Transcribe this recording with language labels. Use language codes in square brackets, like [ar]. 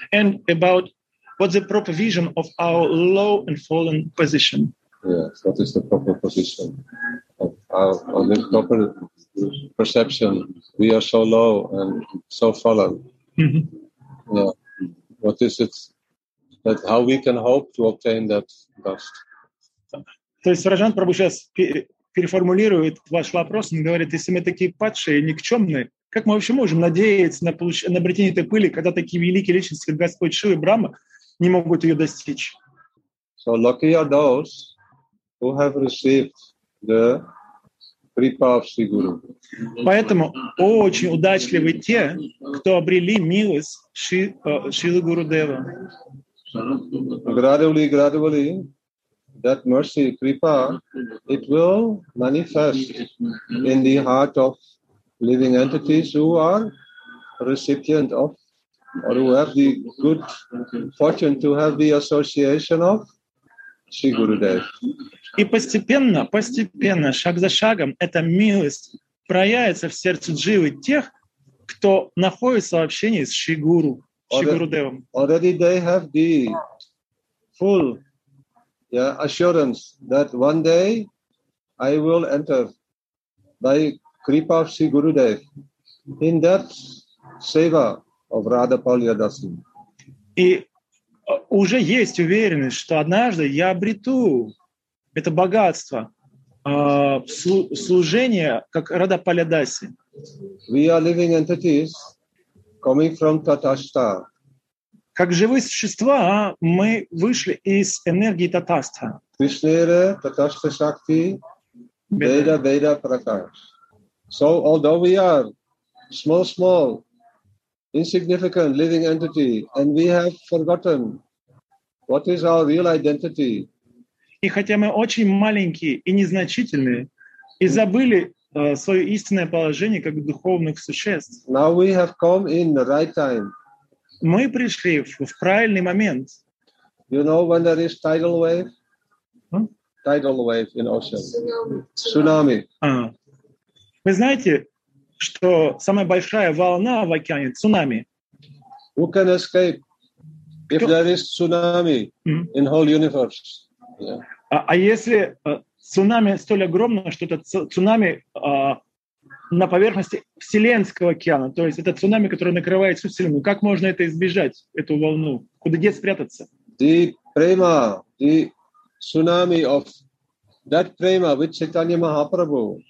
[en] And about what's the proper vision of our low and fallen position? Yes, what is the proper position of our the proper perception? We are so low and so fallen. Mm-hmm. Yeah. What is it that how we can hope to obtain that dust? [ru] То есть, Раджан Прабху сейчас переформулирует ваш вопрос, он говорит, если мы такие падшие, никчемные, как мы вообще можем надеяться на обретение этой пыли, когда такие великие личности, как Господь Шива и Брахма, не могут ее достичь? [en] So lucky are those who have received the Kripa of Sri Guru. [ru] Поэтому очень удачливы те, кто обрели милость Шилы Гуру Дева. [en] Gradually, that mercy, Kripa, it will manifest in the heart of living entities who are recipient of, or who have the good fortune to have the association of Sri Gurudev. [ru] И постепенно, постепенно, шаг за шагом, эта милость проявится в сердце дживы тех, кто находится в общении с Шри Гуру, Шри Гурудевом. [en] Already they have the full assurance that one day I will enter by Kripa of Sri Gurudev in that seva of Radha Palya Dasi. [ru] И уже есть уверенность, что однажды я обрету это богатство служение как Радха Палья Даси. [en] We are living entities coming from Tathastha. [ru] Как живые существа, мы вышли из энергии Татастха. [bn] Кришнере, Татастха Шакти, Веда, Веда Пракаш. [en] So, although we are small, insignificant living entity, and we have forgotten what is our real identity. [ru] И хотя мы очень маленькие и незначительные, и забыли свое истинное положение как духовных существ. [en] Now we have come in the right time. [ru] Мы пришли в правильный момент. [en] You know when there is tidal wave? Tidal wave in ocean. Tsunami. [ru] Вы знаете, что самая большая волна в океане — цунами? [en] Who can escape if there is tsunami in whole universe? Yeah. [ru] А если цунами столь огромное, что это цунами на поверхности Вселенского океана, то есть это цунами, которое накрывает всю Вселенную, как можно это избежать, эту волну? Куда где спрятаться? [en] The prema, the tsunami of that prema with Chaitanya Mahaprabhu.